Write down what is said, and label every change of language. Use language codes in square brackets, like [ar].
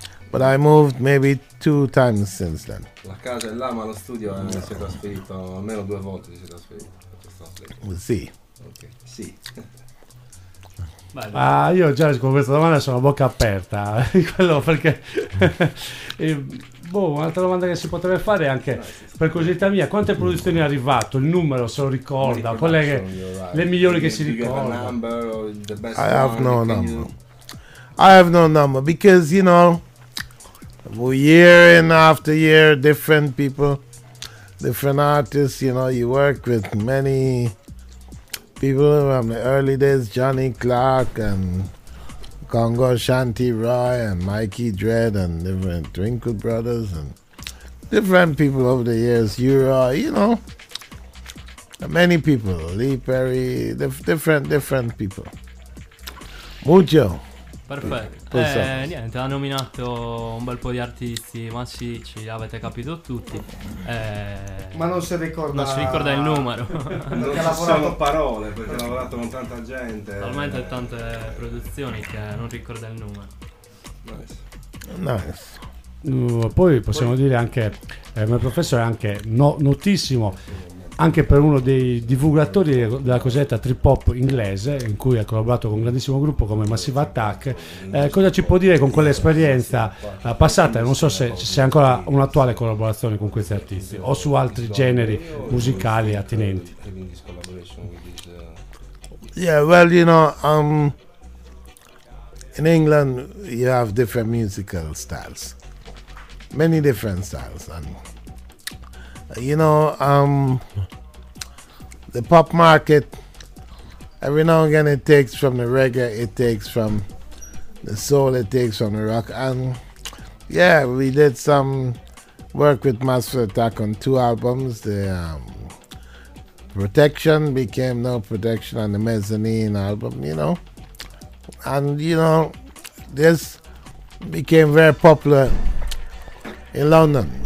[en] But I moved maybe two times since then. [it] La casa è là, ma lo studio no. Si è trasferito almeno due volte. Si è trasferito. Sì. Sì. Ah, io già con questa domanda sono a bocca aperta. Quello perché. un'altra domanda che si potrebbe fare anche per curiosità mia: quante produzioni è arrivato? Il numero se lo ricorda? Quelle che, le migliori che si ricorda? [en] I have no number. I have no number because you know. Year in after year, different people, different artists, you know, you work with many people from the early days, Johnny Clark and Congo Shanti Roy and Mikey Dredd and different Twinkle Brothers and different people over the years, you know, many people, Lee Perry, different people. [es] Mucho. [it] Perfetto, niente, ha nominato un bel po' di artisti massicci, avete capito tutti. Ma non si ricorda. Non si ricorda il numero. Non lavorato parole, perché ha lavorato con tanta gente. Talmente tante produzioni che non ricorda il numero. [en] Nice. [it] Poi possiamo dire anche, il mio professore è anche notissimo. anche per uno dei divulgatori della cosiddetta trip hop inglese, in cui ha collaborato con un grandissimo gruppo come Massive Attack. Cosa ci può dire con quell'esperienza passata? Non so se c'è ancora un'attuale collaborazione con questi artisti o su altri generi musicali attinenti. [en] Yeah, well, you know, in England you have different musical styles, many different styles, and you know, the pop market, every now and again it takes from the reggae, it takes from the soul, it takes from the rock, and yeah, we did some work with Massive Attack on two albums, the Protection became No Protection on the Mezzanine album, you know, and you know, this became very popular in London.